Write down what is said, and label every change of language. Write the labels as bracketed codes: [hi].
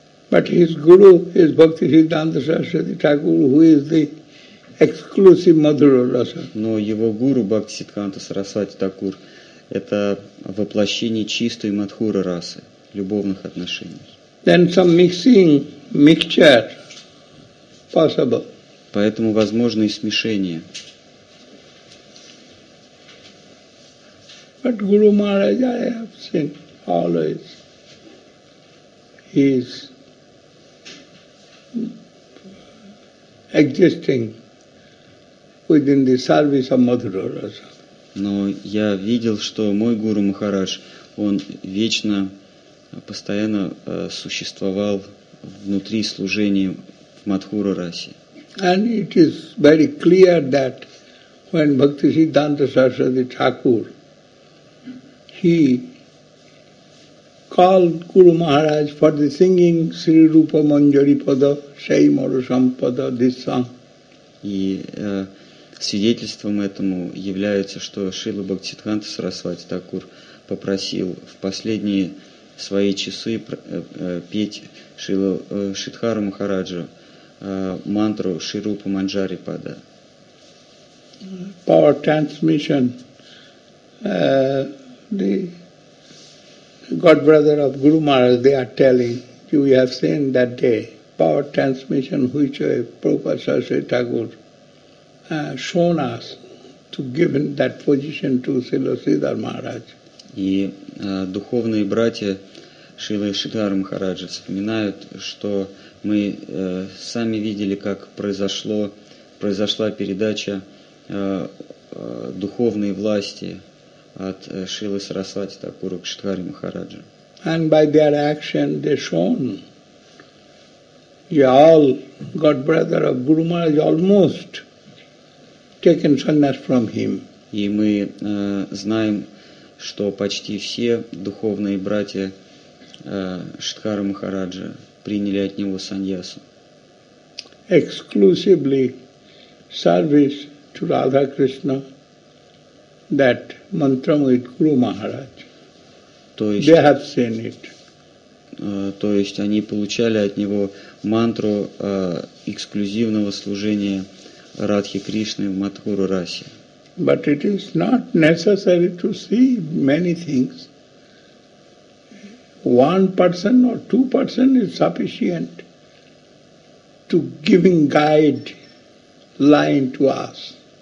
[en] But his guru is Bhaktivedanta Saraswati Thakur, who is the exclusive Madhura Rasa. [ru] Но его гуру Бхактисиддханта Сарасвати Такур – это воплощение чистой Мадхура Расы, любовных отношений. [en] Then some mixing, mixture, possible. [ru] Поэтому возможно и смешение. [en] But Guru Maharaj, I have seen always, he is existing within the service of Madhura Rasa. [ru] Но я видел, что мой Гуру Махарадж, он вечно постоянно существовал внутри служения в Мадхура Расе. [en] And it is very clear that when Bhaktisiddhanta Saraswati Thakur, he called Guru Maharaj for the singing Sri Rupa Manjari Pada, Shai Maru Sampada, this song. [ru] И свидетельством этому является, что Шрила Бхактисиддханта Сарасвати Такур попросил в последние свои часы петь Шридхара Махараджа мантру Ширупа Манджари Пада. [en] Power transmission. The godbrother of Guru Maharaj, they are telling, you have seen that day, power transmission which Prabhupada Saraswati Thakur shown us to give that position to Srila Sridhar Maharaj. [ru] И духовные братья Шрила Шридхара Махараджа вспоминают, что мы сами видели, как произошла передача духовной власти от Шрилы Сарасвати Такура к Шридхаре Махараджа. [en] And by their action they shown, you all got brother of Guru Maharaj almost taken sannyas from him. [ru] И мы знаем, что почти все духовные братья Шридхара Махараджа приняли от него саньясу. [en] Exclusively service to Radha Krishna, that mantra with Guru Maharaj. [ru] То есть, [en] they have seen it. [ru] То есть они получали от него мантру эксклюзивного служения Радхи Кришны в Мадхура Расе. [en] But it is not necessary to see many things. One person or two person is sufficient to giving guide line to us.